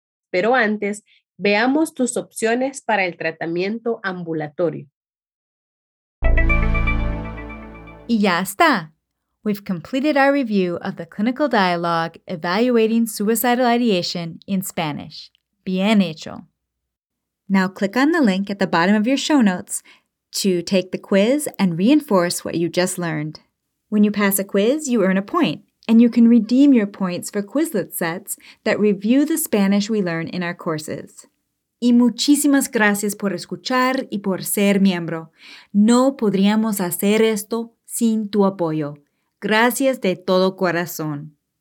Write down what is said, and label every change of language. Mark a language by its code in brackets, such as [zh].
[es] Pero antes, veamos tus opciones para el tratamiento ambulatorio. Y ya está. [en] We've completed our review of the clinical dialogue evaluating suicidal ideation in Spanish. [es] Bien hecho. [en] Now click on the link at the bottom of your show notes to take the quiz and reinforce what you just learned. When you pass a quiz, you earn a point, and you can redeem your points for Quizlet sets that review the Spanish we learn in our courses. [es] Y muchísimas gracias por escuchar y por ser miembro. No podríamos hacer esto sin tu apoyo. Gracias de todo corazón.